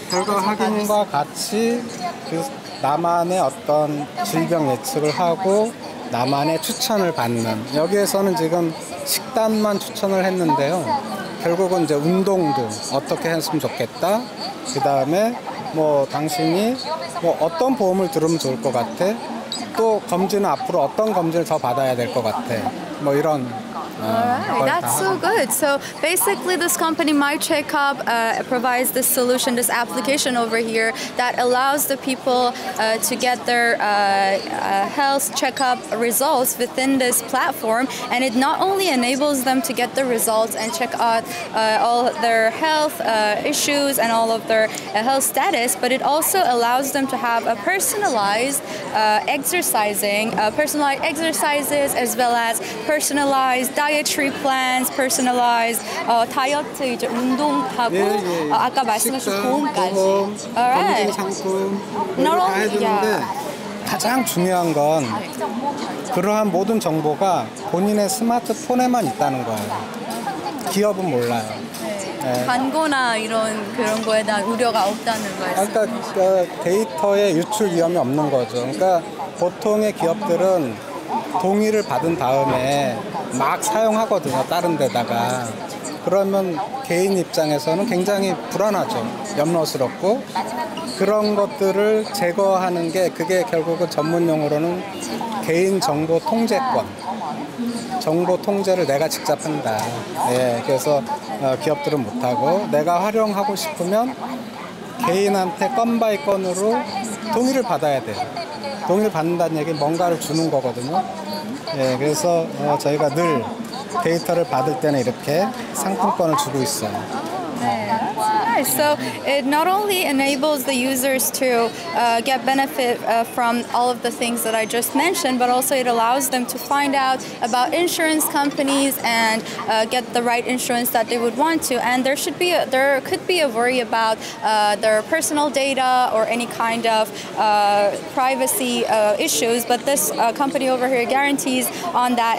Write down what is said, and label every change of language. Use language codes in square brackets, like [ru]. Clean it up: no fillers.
[ko] 결과 확인과 같이 그 나만의 어떤 질병 예측을 하고 나만의 추천을 받는 여기에서는 지금 식단만 추천을 했는데요. 결국은 이제 운동도 어떻게 했으면 좋겠다. 그 다음에 뭐 당신이 뭐 어떤 보험을 들으면 좋을 것 같아. 또 검진은 앞으로 어떤 검진을 더 받아야 될 것 같아. 뭐 이런. [en] Alright, that's so good. So basically, this company, My Checkup, provides this solution, this application over here that allows the people to get their health checkup results within this platform. And it not only enables them to get the results and check out all their health issues and all of their health status, but it also allows them to have a personalized personalized exercises as well as personalized dietary plans, personalized [ko] 다이어트 이제 운동하고 예, 예, 예. 아까 말씀하신 보험까지 검진 상품 다 해주는데 가장 중요한 건 그러한 모든 정보가 본인의 스마트폰에만 있다는 거예요. 기업은 몰라요. 네. 광고나 이런 그런 거에 대한 우려가 없다는 말씀. 그러니까 데이터의 유출 위험이 없는 거죠. 그러니까 보통의 기업들은 동의를 받은 다음에 막 사용하거든요, 다른 데다가. 그러면 개인 입장에서는 굉장히 불안하죠. 염려스럽고. 그런 것들을 제거하는 게 그게 결국은 전문용어로는 개인 정보 통제권. 정보 통제를 내가 직접 한다. 예, 그래서 기업들은 못하고 내가 활용하고 싶으면 개인한테 건 바이 건으로 동의를 받아야 돼요. 동의를 받는다는 얘기는 뭔가를 주는 거거든요. 예, 그래서 저희가 늘 데이터를 받을 때는 이렇게 상품권을 주고 있어요. [en] So it not only enables the users to get benefit from all of the things that I just mentioned, but also it allows them to find out about insurance companies and get the right insurance that they would want to. And there could be a worry about their personal data or any kind of privacy issues, but this company over here guarantees on that.